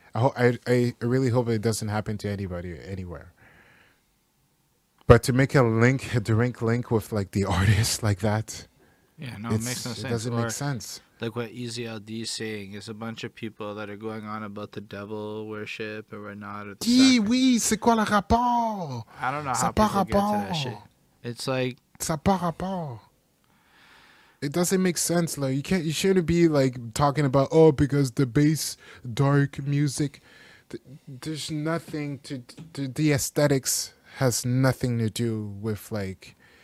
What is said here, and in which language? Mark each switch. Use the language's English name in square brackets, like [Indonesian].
[English] I really hope it doesn't happen to anybody anywhere. But to make a link, a direct link with like the artist like that. Yeah, no, it makes no sense. It doesn't make sense. Like what EZLD is saying is a bunch of people that are going on about the devil worship or whatnot. [French] Oui, c'est quoi le rapport? [English] I don't know how people get to that shit. It's like... [French] Ça par rapport. [English] It doesn't make sense. Like you can't. You shouldn't be like talking about, oh, because the bass, dark music. There's nothing to... The aesthetics has nothing to do with like...